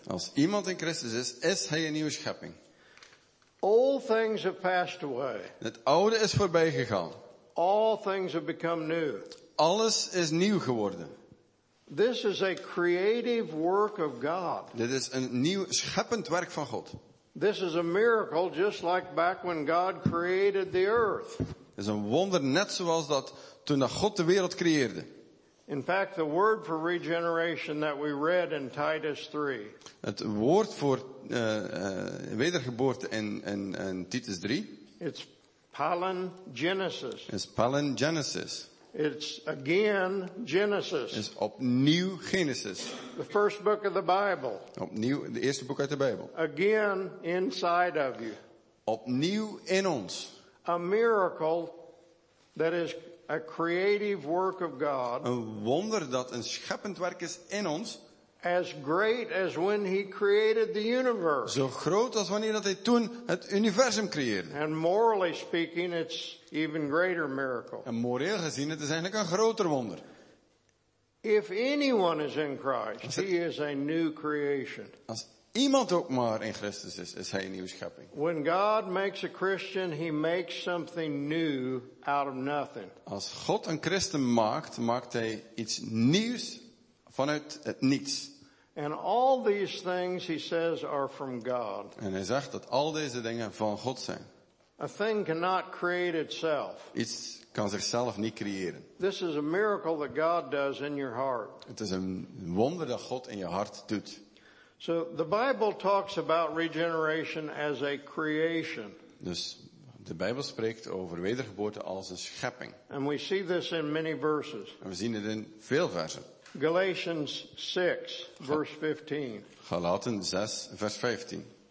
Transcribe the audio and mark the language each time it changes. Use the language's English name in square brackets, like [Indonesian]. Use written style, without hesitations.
[Dutch] Als iemand in Christus is, is hij een nieuwe schepping. [English] All things have passed away. [Dutch] Het oude is voorbij gegaan. [English] All things have become new. [Dutch] Alles is nieuw geworden. [English] This is a creative work of God. [Dutch] Dit is een nieuw scheppend werk van God. [English] This is a miracle just like back when God created the earth. [Dutch] Het is een wonder net zoals dat toen God de wereld creëerde. [English] In fact, the word for regeneration that we read in Titus 3. [Dutch] Het woord voor wedergeboorte in Titus 3. [English] It's palingenesis. [Dutch] Is palingenesis. [English] It's again Genesis. [Dutch] Is opnieuw Genesis. [English] The first book of the Bible. [Dutch] Opnieuw de eerste boek uit de Bijbel. [English] Again inside of you. [Dutch] Opnieuw in ons. [English] A miracle that is a creative work of God. [Dutch] Een wonder dat een scheppend werk is in ons. [English] As great as when he created the universe. [Dutch] Zo groot als wanneer dat hij toen het universum creëerde. [English] And morally speaking, it's even greater miracle. [Dutch] En moreel gezien, het is eigenlijk een groter wonder. [English] If anyone is in Christ, he is a new creation. [Dutch] Als iemand ook maar in Christus is, is hij een nieuwe schepping. [English] When God makes a Christian, he makes something new out of nothing. [Dutch] Als God een christen maakt, maakt hij iets nieuws vanuit het niets. [English] And all these things, he says, are from God. [Dutch] En hij zegt dat al deze dingen van God zijn. [English] A thing cannot create itself. [Dutch] Iets kan zichzelf niet creëren. [English] This is a miracle that God does in your heart. [Dutch] Het is een wonder dat God in je hart doet. [English] So the Bible talks about regeneration as a creation. [Dutch] Dus de Bijbel spreekt over wedergeboorte als een schepping. [English] And we see this in many verses. [Dutch] En we zien het in veel versen. [English] Galatians 6, verse 15. [Dutch] Galaten 6, vers 15.